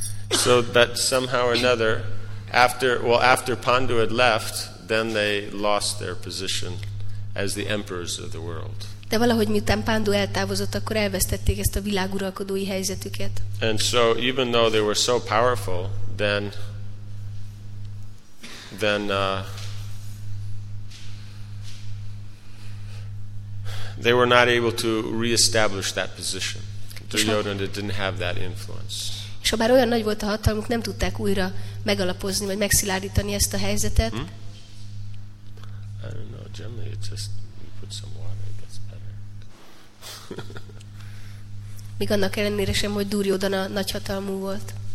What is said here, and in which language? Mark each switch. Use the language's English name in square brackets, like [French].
[English] So that somehow or another, after Pandu had left, then they lost their position as the emperors of the world. [Hungarian] De valahogy miután Pandu eltávozott, akkor elvesztették ezt a világuralkodói helyzetüket. [English] And so even though they were so powerful, they were not able to reestablish that position. Duryodhana didn't have that influence. [Hungarian] És habár olyan nagy volt a hatalmuk, nem tudták újra megalapozni vagy megszilárdítani ezt a helyzetet. [English] I don't know. Generally, it's just you put some water, it gets better. [Hungarian] Még annak ellenére sem, hogy Duryodhana nagy hatalmú volt.